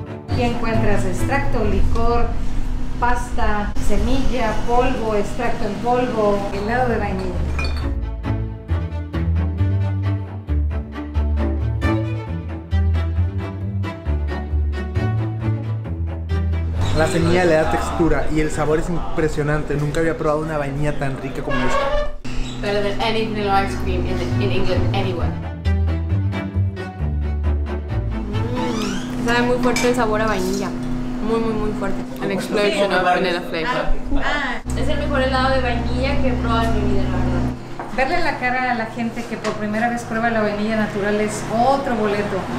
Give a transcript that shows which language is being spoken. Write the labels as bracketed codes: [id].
[es] Aquí encuentras extracto, licor, pasta, semilla, polvo, extracto en polvo, helado de vainilla. La La semilla le da textura y el sabor es impresionante. Nunca había probado una vainilla tan rica como esta. [en] Better than any vanilla ice cream in England anywhere. [es] Sabe muy fuerte el sabor a vainilla, muy muy muy fuerte. [en] An explosion of vanilla flavor. [es] Es el mejor helado de vainilla que he probado en mi vida, la verdad. Verle la cara a la gente que por primera vez prueba la vainilla natural es otro boleto.